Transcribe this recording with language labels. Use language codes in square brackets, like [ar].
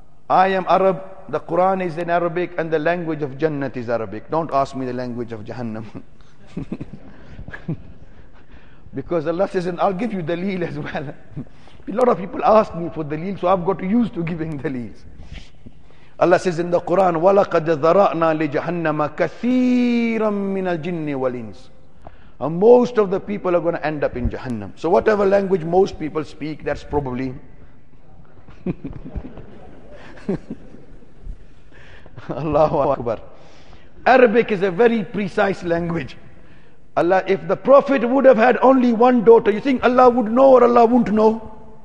[en] I am Arab, the Quran is in Arabic, and the language of Jannat is Arabic. Don't ask me the language of Jahannam. Because Allah says, I'll give you dalil as well. A lot of people ask me for dalil, so I've got used to giving dalils. Allah says in the Quran, [ar] وَلَقَدْ ذَرَأْنَا لِجَهَنَّمَ كَثِيرًا مِّنَ الْجِنِّ وَالْإِنسِ. [en] And most of the people are going to end up in Jahannam. So whatever language most people speak, that's probably... Allahu Akbar. Arabic is a very precise language. Allah, if the Prophet would have had only one daughter, you think Allah would know or Allah wouldn't know?